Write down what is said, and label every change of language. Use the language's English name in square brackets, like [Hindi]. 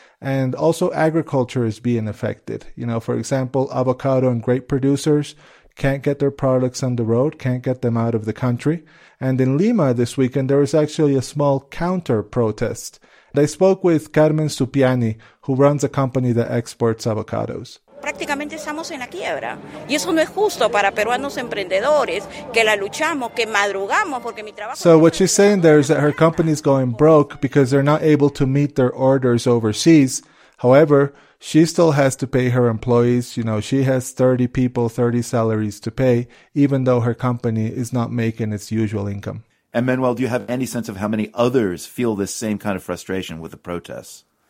[English] And also agriculture is being affected. You know, for example, avocado and grape producers can't get their products on the road, can't get them out of the country. And in Lima this weekend, there was actually a small counter-protest. I spoke with Carmen Supiani, who runs a company that exports avocados. [Spanish] Prácticamente estamos en la quiebra. Y eso no es justo para peruanos emprendedores que la luchamos, que madrugamos, porque mi trabajo... [English] So what she's saying there is that her company is going broke because they're not able to meet their orders overseas. However, she still has to pay her employees. You know, she has 30 people, 30 salaries to pay, even though her company is not making its usual income. And Manuel, do you have any sense of how many others feel this same kind of frustration with the protests?